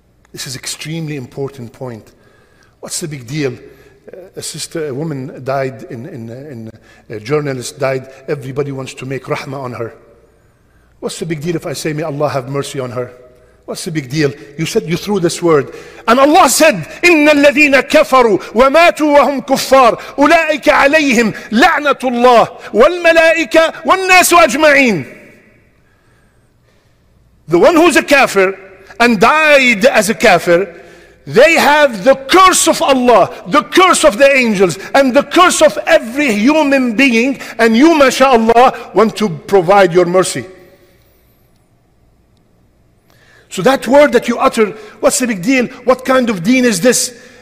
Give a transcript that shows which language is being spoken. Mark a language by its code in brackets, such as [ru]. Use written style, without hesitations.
[en] This is an extremely important point. What's the big deal? A sister, a woman died, a journalist died. Everybody wants to make rahmah on her. What's the big deal if I say, may Allah have mercy on her? What's the big deal? You said you threw this word. And Allah said, [ar] إِنَّ الَّذِينَ كَفَرُوا وَمَاتُوا وَهُمْ كُفَّارُ أُولَٰئِكَ عَلَيْهِمْ لَعْنَةُ اللَّهِ وَالْمَلَائِكَ وَالنَّاسُ أَجْمَعِينَ. [en] The one who's a kafir and died as a kafir, they have the curse of Allah, the curse of the angels, and the curse of every human being, and you, mashallah, want to provide your mercy. So that word that you utter, what's the big deal? What kind of deen is this?